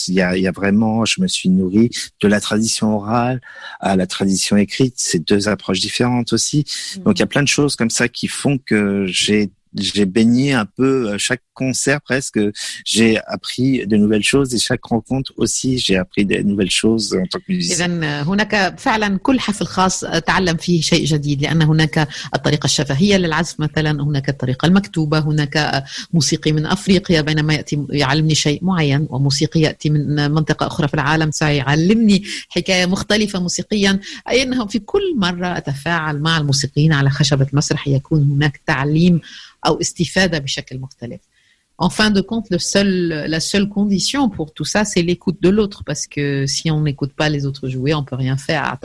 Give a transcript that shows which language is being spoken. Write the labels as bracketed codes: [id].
[fr] Il y a vraiment, je me suis nourri de la tradition orale à la tradition écrite. C'est deux approches différentes aussi. Donc il y a plein de choses comme ça qui font que j'ai baigné un peu chaque concert presque. J'ai appris de nouvelles choses et chaque rencontre aussi, j'ai appris de nouvelles choses en tant que musicien. [ar] إذن هناك فعلا كل حفل خاص تعلم فيه شيء جديد، لأن هناك الطريقة الشفهية للعزف مثلا، هناك الطريقة المكتوبة، هناك موسيقي من أفريقيا بينما يأتي يعلمني شيء معين، وموسيقي يأتي من منطقة أخرى في العالم سيعلمني حكاية مختلفة موسيقيا. أي أنه في كل مرة أتفاعل مع الموسيقيين على خشبة المسرح يكون هناك تعليم أو استفادة بشكل مختلف. [fr] En fin de compte, la seule condition pour tout ça, c'est l'écoute de l'autre. Parce que si on n'écoute pas les autres jouer, on ne peut rien faire.